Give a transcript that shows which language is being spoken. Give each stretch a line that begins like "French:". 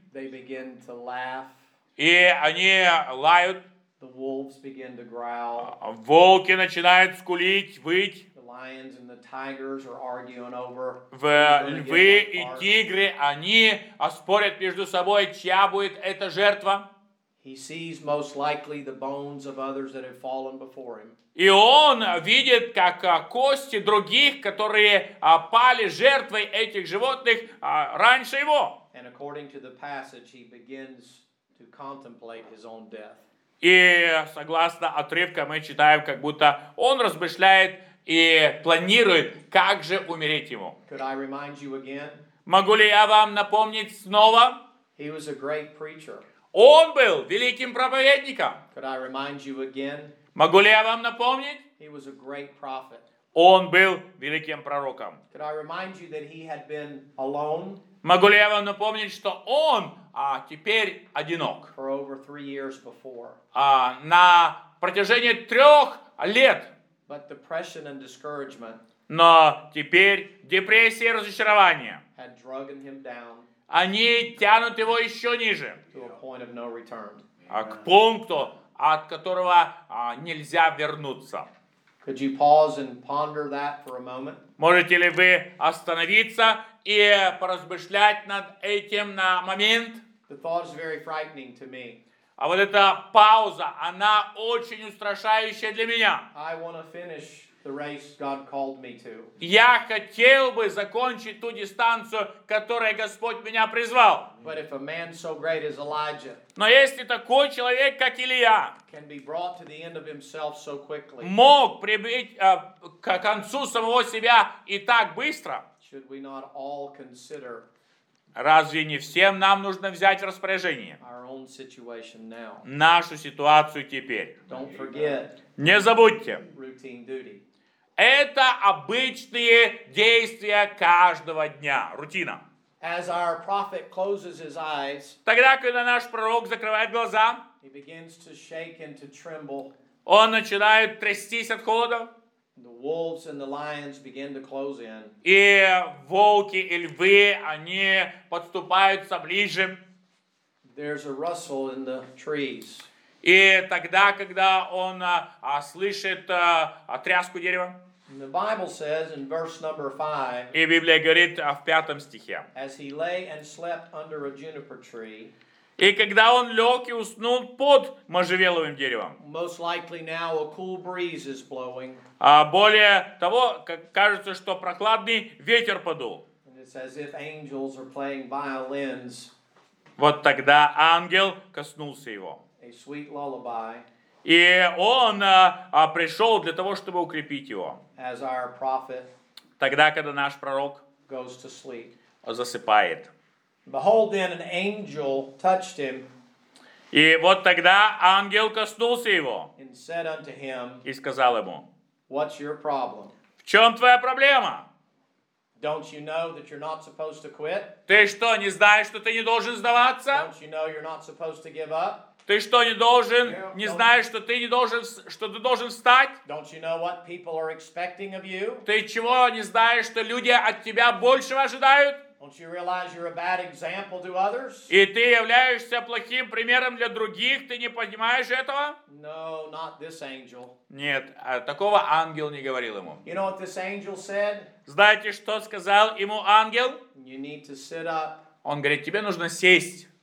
English: They begin to laugh.
Russian: И они лают.
English: The wolves begin to growl.
Russian: Волки начинают скулить, выть.
English: The lions and the tigers are arguing over.
Russian: Львы и тигры, они спорят между собой, чья будет эта жертва.
English: He sees most likely the bones of others that have fallen before him.
Russian: И он видит, как кости других, которые пали жертвой этих животных раньше его.
English: And according to the passage, he begins to contemplate his own death.
Russian: И согласно отрывкам мы читаем, как будто он размышляет и планирует, как же умереть ему.
English: Could I remind you again?
Russian: Могу ли я вам напомнить снова?
English: He was a great preacher.
Russian: Он был великим проповедником.
English: Could I remind you again?
Russian: Могу ли я вам напомнить?
English: He was a great prophet.
Russian: Он был великим пророком.
English: Could I remind you that he had been alone?
Russian: Могу ли я вам напомнить, что он теперь одинок?
English: For over 3 years before.
Russian: На протяжении 3 лет.
English: But depression and discouragement.
Russian: Но теперь депрессия и разочарование.
English: Had dragged him down.
Russian: Они тянут его еще ниже.
English: To a point of no return.
Russian: К пункту, от которого нельзя вернуться.
English: Could you pause and ponder that for a moment?
Russian: Можете ли вы остановиться и поразмышлять над этим на момент?
English: The thought is very frightening to me.
Russian: А вот эта пауза, она очень устрашающая для меня.
English: I want to finish the race God called me to.
Russian: Я хотел бы закончить ту дистанцию, которой Господь меня призвал.
English: But if a man so great as Elijah,
Russian: но если такой человек, как Илия,
English: can be brought to the end of himself so quickly,
Russian: мог прибыть к концу самого себя и так быстро,
English: should we not all consider,
Russian: разве не всем нам нужно взять в распоряжение
English: our own situation now?
Russian: Нашу ситуацию теперь?
English: Don't forget.
Russian: Не забудьте.
English: Routine duty.
Russian: Это обычные действия каждого дня. Рутина.
English: As our prophet closes his eyes,
Russian: тогда, когда наш пророк закрывает глаза,
English: he begins to shake and to tremble.
Russian: Он начинает трястись от холода.
English: The wolves and the lions begin to close in.
Russian: И волки и львы, они подступаются ближе.
English: There's a rustle in the trees.
Russian: И тогда, когда он слышит тряску дерева.
English: The Bible says in verse number 5.
Russian: И Библия говорит в 5 стихе.
English: As he lay and slept under a juniper tree.
Russian: И когда он лег и уснул под можжевеловым деревом.
English: Most likely now a cool breeze is blowing.
Russian: А более того, как кажется, что прохладный ветер подул.
English: And it's as if angels are playing violins.
Russian: Вот тогда ангел коснулся его.
English: A sweet lullaby.
Russian: И он пришел для того, чтобы укрепить его.
English: As our prophet,
Russian: тогда, когда наш пророк
English: goes to sleep,
Russian: засыпает.
English: Behold, then an angel touched him.
Russian: И вот тогда ангел коснулся его.
English: And said unto him,
Russian: и сказал ему:
English: What's your problem?
Russian: В чем твоя проблема?
English: Don't you know that you're not supposed to quit?
Russian: Ты что, не знаешь, что ты не должен сдаваться?
English: Don't you know you're not supposed to give up?
Russian: Ты что, не должен, yeah, не знаешь, что ты не должен, что ты должен встать?
English: Don't you know what people are expecting of you?
Russian: Ты чего не знаешь, что люди от тебя большего ожидают?
English: Don't you realize you're a bad example to others?
Russian: И ты являешься плохим примером для других, ты не понимаешь этого?
English: No, not this angel.
Russian: Нет, такого ангел не говорил ему.
English: You know what this angel said?
Russian: Знаете, что сказал ему ангел?
English: You need to sit up.
Russian: Он говорит, тебе нужно сесть.